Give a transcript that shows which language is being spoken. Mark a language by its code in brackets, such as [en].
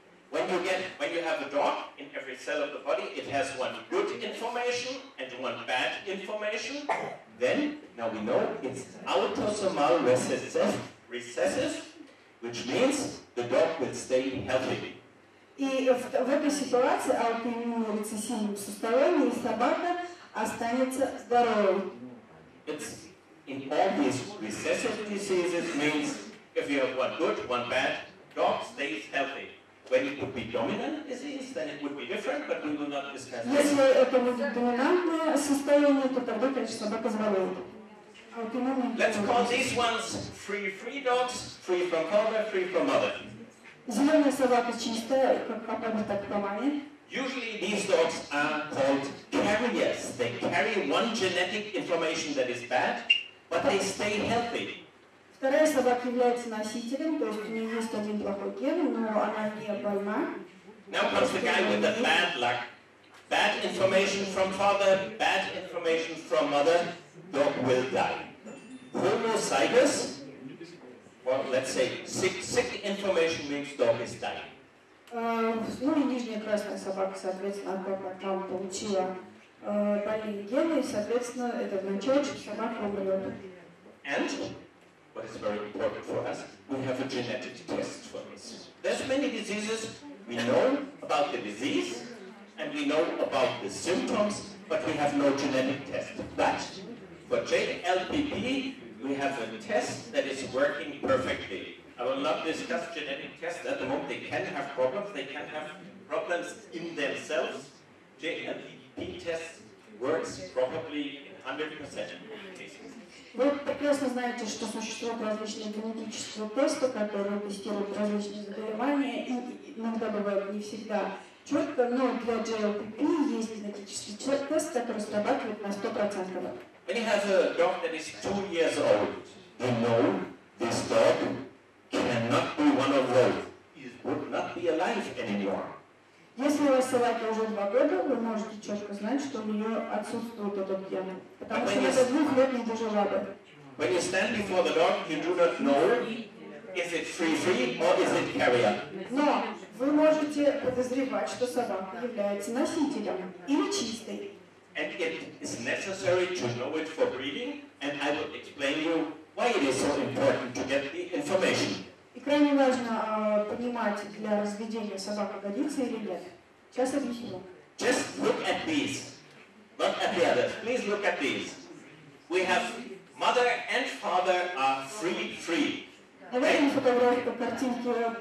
[en] When you have a dog in every cell of the body, it has one good information and one bad information. Then, now we know, it's autosomal recessive, which means the dog will stay healthy. [ru] И в этой ситуации аутоиммунное рецессивное состояние, и собака останется здоровой. [en] It's in all these recessive diseases means if you have one good, one bad, dog stays healthy. When it would be dominant disease, then it would be different, but we will not discuss this. [ru] Если это будет доминантное состояние, то тогда, конечно, собака заболеет. [en] Let's call these ones free-free dogs, free from father, free from mother. [ru] Зеленая собака чистая, как папа, так и по маме. [en] Usually these dogs are called carriers. They carry one genetic information that is bad, but they stay healthy. [ru] Вторая собака является носителем, то есть у нее есть один плохой ген, но она не больна. [en] Now comes the guy with the bad luck. Bad information from father, bad information from mother, dog will die. Homozygous, well, let's say sick information means dog is dying. [ru] Ну и нижняя красная собака, соответственно, как там получила больные гены, и, соответственно, это означает, что собака умрет. [en] And? What is very important for us, we have a genetic test for this. There's many diseases, we know about the disease, and we know about the symptoms, but we have no genetic test. But for JLPP, we have a test that is working perfectly. I will not discuss genetic tests at the moment. They can have problems, in themselves. JLPP test works probably 100% in all cases. [ru] Вы прекрасно знаете, что существуют различные генетические тесты, которые тестируют различные заболевания, и иногда бывает не всегда четко, но для JLPP есть генетический тест, который срабатывает на 100%. [en] When you have a dog that is 2 years old, you know this dog cannot be one of those. He would not be alive anymore. [ru] Если у вас собаке уже 2 года, вы можете четко знать, что у нее отсутствует этот ген. Потому что это 2 лет не тяжеловато. [en] When you stand before the dog, you do not know if it's free-free or is it carrier. [ru] Но вы можете подозревать, что собака является носителем или чистой. [en] And it is necessary to know it for breeding, and I will explain you why it is so important to get the information. [ru] И крайне важно понимать, для разведения собака годится или нет. Сейчас объясню. [en] Just look at these, not at the others. Please look at these. We have mother and father are free-free. [ru] Давайте фотографию по картинке.